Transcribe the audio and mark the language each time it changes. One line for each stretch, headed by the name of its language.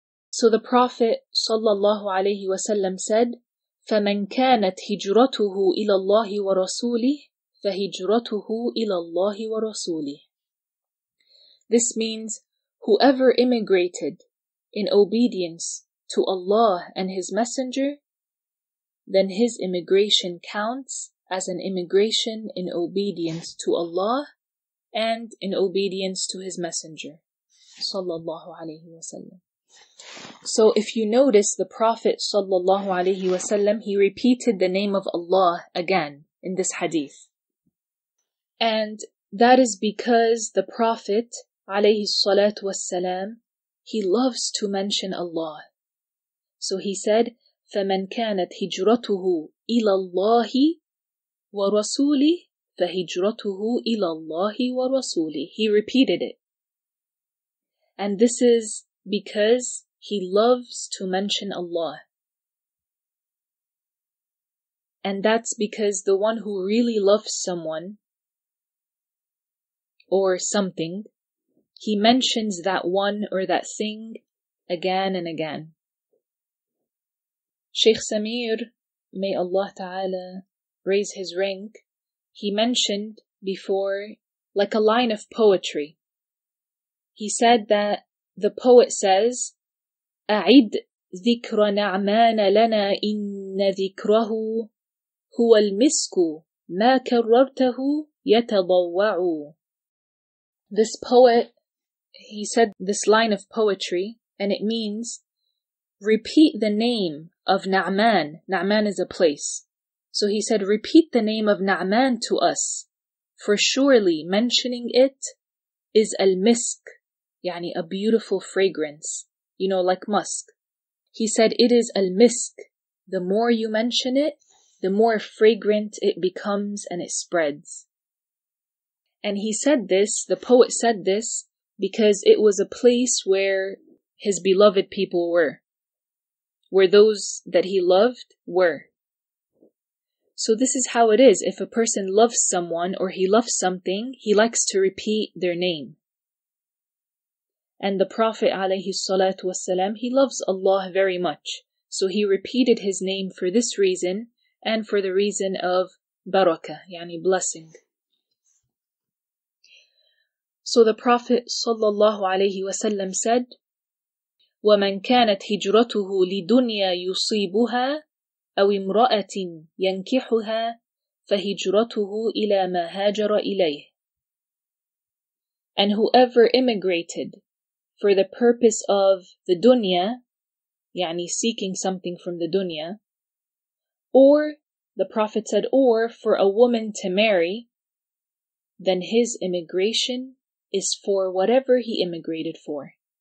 English: So the Prophet
Arabic: sallallahu alayhi wa sallam said, فَمَنْ كَانَتْ هِجْرَتُهُ إِلَى اللَّهِ وَرَسُولِهِ فَهِجْرَتُهُ إِلَى اللَّهِ وَرَسُولِهِ.
English: This means, whoever immigrated in obedience to Allah and His Messenger, then his immigration counts as an immigration in obedience to Allah and in obedience to His Messenger, sallallahu alayhi wa sallam. So if you notice, the Prophet sallallahu alayhi wa sallam, he repeated the name of Allah again in this hadith. And that is because the Prophet alayhi salatu wassalam, he loves to mention Allah. So he said,
Arabic: فَمَنْ كَانَتْ هِجْرَتُهُ إِلَى اللَّهِ وَرَسُولِهِ فَهِجْرَتُهُ إِلَى اللَّهِ وَرَسُولِهِ.
English: He repeated it. And this is because he loves to mention Allah. And that's because the one who really loves someone or something, he mentions that one or that thing again and again. Shaykh Samir, may Allah Ta'ala raise his rank, he mentioned before, like a line of poetry. He said that the poet says,
Arabic: أعد ذكر نعمان لنا إن ذكره هو المسك ما كررته يتضوع.
English: This poet, he said this line of poetry, and it means, repeat the name of Na'man. Na'man is a place. So he said, repeat the name of Na'man to us, for surely mentioning it is al-misk, yani a beautiful fragrance, you know, like musk. He said, it is al-misk. The more you mention it, the more fragrant it becomes and it spreads. And he said this, the poet said this, because it was a place where his beloved people were, where those that he loved were. So this is how it is. If a person loves someone or he loves something, he likes to repeat their name. And the Prophet alayhi salatu wasalam, he loves Allah very much. So he repeated his name for this reason and for the reason of barakah, yani blessing. So the Prophet
Arabic: sallallahu alayhi wasalam said, وَمَنْ كَانَتْ هِجْرَتُهُ لِدُنْيَا يُصِيبُهَا أَوْ إِمْرَأَةٍ يَنْكِحُهَا فَهِجْرَتُهُ إِلَى مَا هَاجَرَ إِلَيْهِ.
English: And whoever immigrated for the purpose of the dunya, يعني seeking something from the dunya, or, the Prophet said, or for a woman to marry, then his immigration is for whatever he immigrated for.